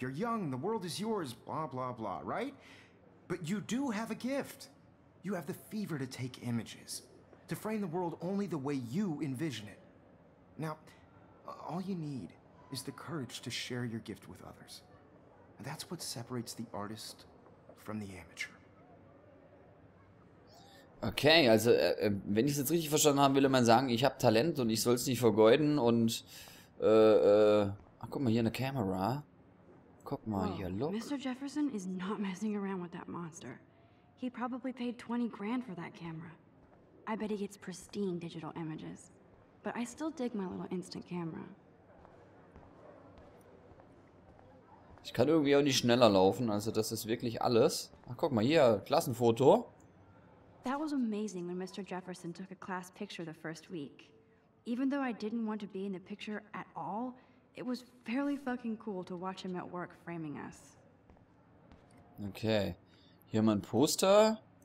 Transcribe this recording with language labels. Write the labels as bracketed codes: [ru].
[en] You're young, the world is yours, blah, blah, blah, right? But you do have a gift. You have the fever to take images, to frame the world only the way you envision it. Now, all you need is the courage to share your gift with others. And that's what separates the artist from the amateur. [de] Okay, also wenn ich es jetzt richtig verstanden habe, will man sagen, ich habe Talent und ich soll es nicht vergeuden und ach, guck mal hier eine Kamera. Guck mal hier, [en] look. Mr. Jefferson is not messing around with that monster. He probably paid 20 grand for that camera. I bet he gets pristine digital images. But I still dig my little instant camera. [de] Ich kann irgendwie auch nicht schneller laufen, also das ist wirklich alles. Ach, guck mal, hier, Klassenfoto. [en] That was amazing when Mr. Jefferson took a class picture the first week. Even though I didn't want to be in the picture at all, it was fairly fucking cool to watch him at work framing us. [de] Okay, hier mein Poster.